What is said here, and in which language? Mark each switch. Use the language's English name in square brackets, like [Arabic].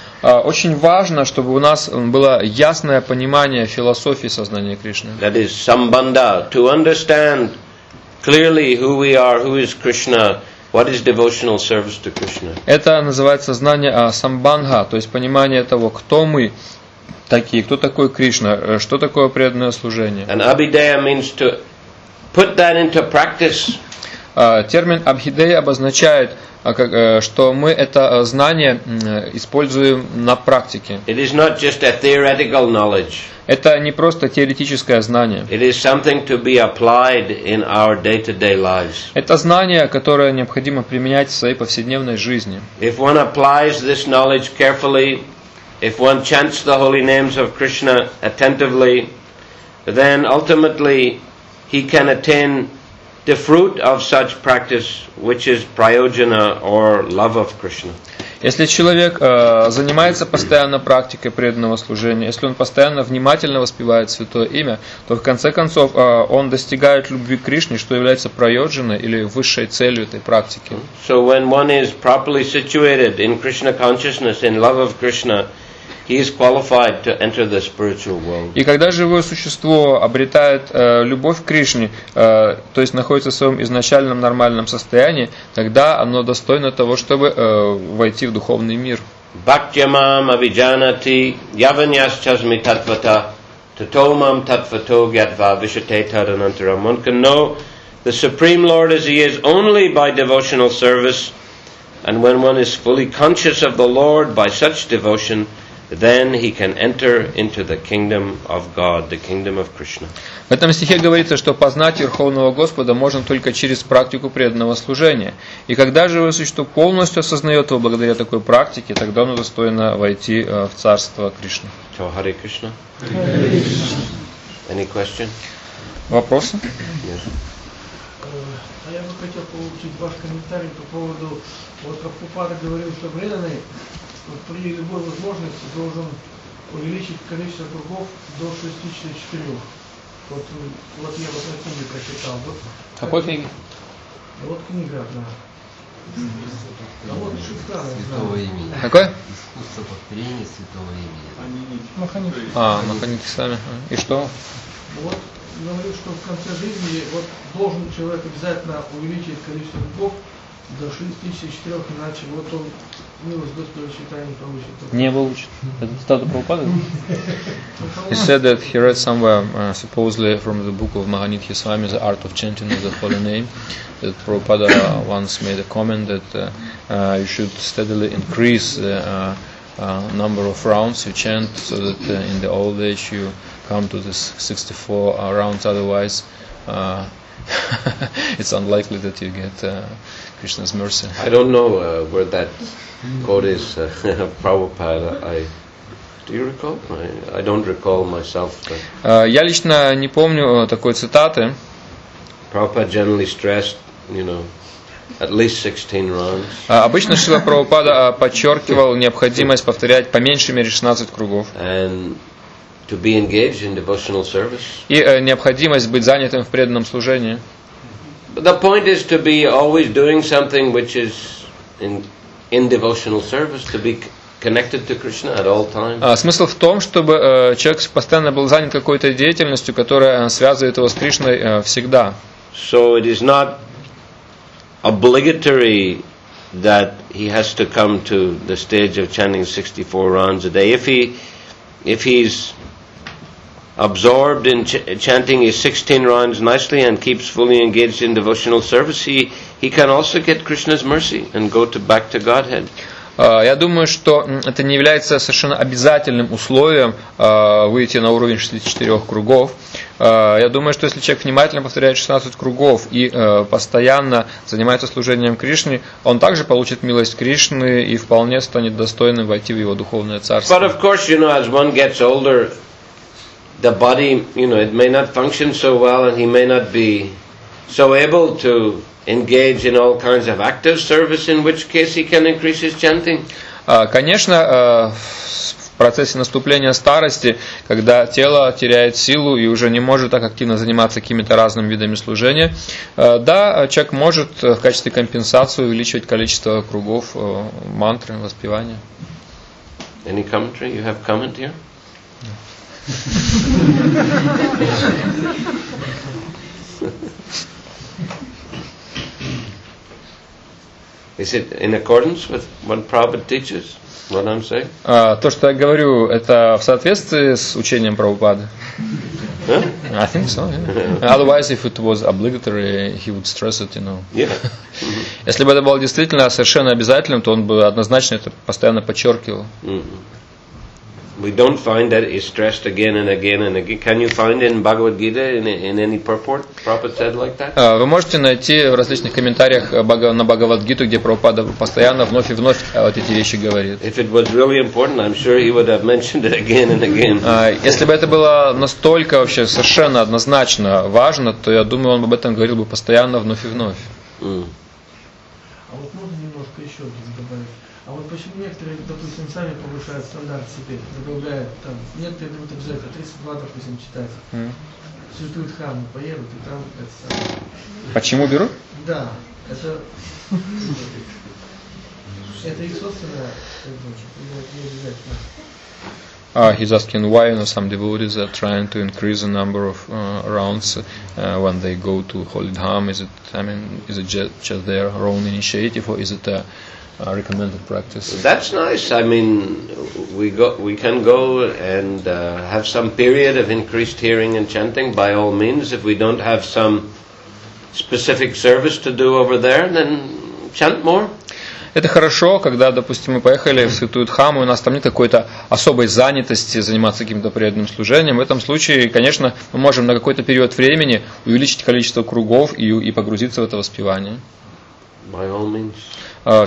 [Russian] Очень важно, чтобы у нас было ясное понимание философии сознания Кришны. [English] That is sambandha, to understand clearly who we are, who is Krishna, what is devotional service to Krishna. [Russian] Это называется знание самбандха, то есть понимание того, кто мы такие, кто такой Кришна, что такое преданное служение. [English] And abhideya means to put that into practice. [Russian] Термин абхидея обозначает, что мы это знание используем на практике. [English] It is not just a theoretical knowledge. [Russian] Это не просто теоретическое знание. [English] It is something to be applied in our day-to-day lives. [Russian] Это знание, которое необходимо применять в своей повседневной жизни. [English] If one applies this knowledge carefully, if one chants the holy names of Krishna attentively, then ultimately he can attain the fruit of such practice, which is prayojana or love of Krishna. [Russian] Если человек занимается постоянно практикой преданного служения, если он постоянно внимательно воспевает святое имя, то в конце концов он достигает любви к Кришне, что является прайоджаной или высшей целью этой практики. [English] So when one is properly situated in Krishna consciousness, in love of Krishna, he is qualified to enter the spiritual world. [Russian] И когда живое существо обретает любовь к Кришне, то есть находится в своем изначальном нормальном состоянии, тогда оно достойно того, чтобы войти в духовный мир. [Sanskrit] Бхактямам авиджанати яваньяшчасми татвата татомам татвато гьятва вишате таранантарам. [English] One can know the Supreme Lord as He is only by devotional service, and when one is fully conscious of the Lord by such devotion, then he can enter into the kingdom of God, the kingdom of Krishna. [Russian] В этом стихе говорится, что познать Верховного Господа можно только через практику преданного служения. И когда живое существо полностью осознает его благодаря такой практике, тогда оно достойно войти в царство Кришны. [English] So, Hare Krishna. Any question? [Russian] Вопросы? [English] Yes. [Russian] Я бы хотел получить ваш комментарий по поводу, вот Прабхупада говорил, что преданный при любой возможности должен увеличить количество кругов до 64. Вот я вот на книге прочитал. Какой книги? Вот книга одна. Святого имени. Какое? Искусство повторения святого имени. Маханики. А, маханики сами. И что? Вот, говорю, что в конце жизни вот должен человек обязательно увеличить количество духов до 64, иначе вот он милость Господа считает не получит. Не получит. Это цитата Прабхупады? [English] He said that he read somewhere, supposedly from the book of Маханитхи Свами, The Art of Chanting of the Holy Name, that Prabhupada once made a comment that you should steadily increase the number of rounds you chant so that in the old age you come to this 64 rounds, otherwise it's unlikely that you get Krishna's mercy. I don't know where that quote is, Prabhupada. I don't recall myself. [Russian] Я лично не помню такой цитаты. [English] Prabhupada generally stressed, you know, at least 16 rounds. [Russian] Обычно Шрила Прабхупада подчеркивал необходимость повторять по меньшей мере 16 кругов. [English] And to be engaged in devotional service. [Russian] И необходимость быть занятым в преданном служении. [English] But the point is to be always doing something which is in devotional service, to be connected to Krishna at all times. [Russian] Смысл в том, чтобы человек постоянно был занят какой-то деятельностью, которая связывает его с Кришной всегда. [English] So it is not obligatory that he has to come to the stage of chanting 64 rounds a day. If he's absorbed in chanting his 16 rounds nicely and keeps fully engaged in devotional service, he can also get Krishna's mercy and go to back to Godhead. [Russian] Я думаю, что это не является совершенно обязательным условием выйти на уровень 64 кругов. Я думаю, что если человек внимательно повторяет 16 кругов и постоянно занимается служением Кришне, он также получит милость Кришны и вполне станет достойным войти в его духовное царство. [English] But of course, you know, as one gets older, the body, you know, it may not function so well and he may not be so able to engage in all kinds of active service, in which case he can increase his chanting. [Russian] Конечно, в процессе наступления старости, когда тело теряет силу и уже не может так активно заниматься какими-то разными видами служения, да, человек может в качестве компенсации увеличивать количество кругов мантры, воспевания. [English] Any commentary? You have comment here? Is it in accordance with what Prabhupada teaches? What I'm saying? [Russian] То, что я говорю, это в соответствии с учением Прабхупады? [English] Huh? I think so. Yeah. Otherwise, if it was obligatory, he would stress it, you know. Yeah. [Russian] Если бы это было действительно совершенно обязательным, то он бы однозначно это постоянно подчеркивал. [English] Mm-hmm. We don't find that it's stressed again and again and again. Can you find in Bhagavad Gita in any purport Prabhupada said like that? [Russian] Вы можете найти в различных комментариях на Бхагавад Гиту, где Прабхупада постоянно вновь и вновь вот эти вещи говорит. [English] If it was really important, I'm sure he would have mentioned it again and again. [Russian] Если бы это было настолько вообще совершенно однозначно важно, то я думаю, он об этом говорил бы постоянно вновь и вновь. А вот можно немножко еще один добавить? А вот почему некоторые, допустим, сами повышают стандарт себе, добавляют там, некоторые будут обязательно 32, допустим, читать, святую дхарму поедут и там это самое. Почему беру? Да, это их собственное, это не обязательно. [English] He's asking why, you know, some devotees are trying to increase the number of rounds when they go to Holy Dham. Is it just their own initiative, or is it a recommended practice? That's nice. I mean, we can go and have some period of increased hearing and chanting by all means. If we don't have some specific service to do over there, then chant more. [Russian] Это хорошо, когда, допустим, мы поехали в Святую Дхаму, и у нас там нет какой-то особой занятости заниматься каким-то преданным служением. В этом случае, конечно, мы можем на какой-то период времени увеличить количество кругов и погрузиться в это воспевание. [English] By all means.